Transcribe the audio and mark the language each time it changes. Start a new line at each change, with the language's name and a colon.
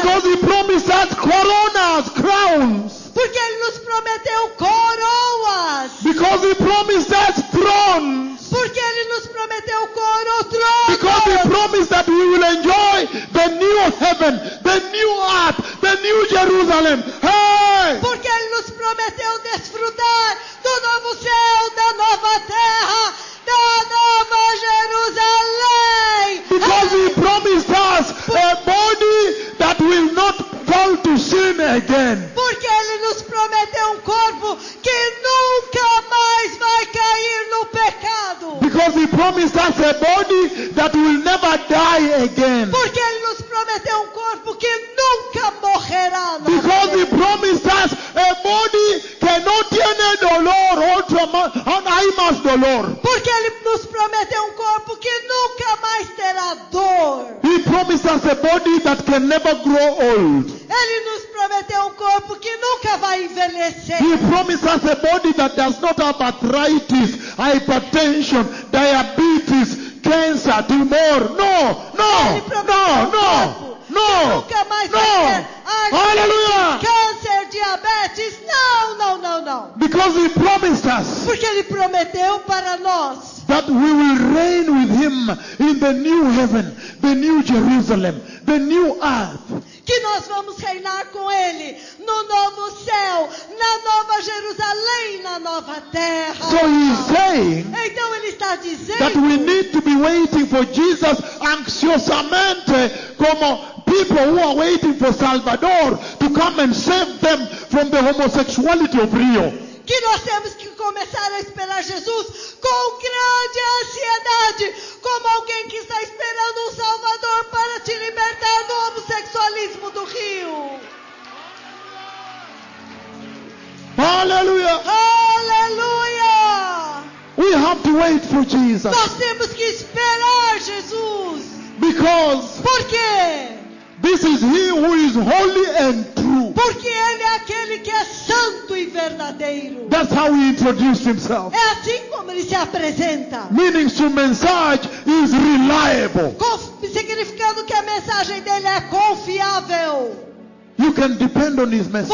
English: Because he promised us coronas, crowns.
Portuguese: Porque ele nos prometeu coroas.
English: Because he promised us thrones.
Portuguese: Porque ele nos prometeu coro, trono.
English: Because he promised that we will enjoy the new heaven, the new earth, the new Jerusalem. Hey!
Portuguese: Porque ele nos prometeu desfrutar do novo céu, da nova terra, da nova Jerusalém.
English: Because he promised us a body that will not fall to sin again.
Portuguese: Porque ele nos prometeu um corpo que nunca mais vai cair no pecado.
English: Because he promised us a body that will never die again.
Portuguese: Porque ele nos prometeu um corpo que nunca morrerá.
English: Because he promised us a body
Portuguese: que não tem dolor, dolor. Porque ele nos prometeu um corpo que nunca mais terá dor.
English: He promised us a body that can never grow old.
Portuguese: Ele nos prometeu um corpo que nunca vai envelhecer.
English: He promised us a body that does not have arthritis, hypertension, diabetes, cancer, tumor. No, no, no, no, no,
Portuguese: no. Aleluia. Câncer, diabetes. Não, não, não, não.
English: Because he promised us.
Portuguese: Porque ele prometeu para nós.
English: That we will reign with him in the new heaven, the new Jerusalem, the new earth.
Portuguese: Que nós vamos reinar com ele no novo céu, na nova Jerusalém, na nova terra.
English: So he's saying,
Portuguese: então ele está dizendo,
English: that we need to be waiting for Jesus
Portuguese: ansiosamente, como
English: people who are waiting for Salvador to come and save them from the homosexuality of Rio.
Portuguese: Que nós temos que começar a esperar Jesus com grande ansiedade, como alguém que está esperando um Salvador para te libertar do homossexualismo do Rio. Aleluia! Aleluia!
English: We have to wait for Jesus.
Portuguese: Nós temos que esperar Jesus.
English: Because.
Portuguese: Por quê?
English: This is he who is holy and true.
Portuguese: Porque ele é aquele que é santo e verdadeiro.
English: That's how he introduced himself.
Portuguese: É assim como ele se apresenta.
English: Meaning his message is reliable.
Portuguese: Significando que a mensagem dele é confiável.
English: You can depend on his message.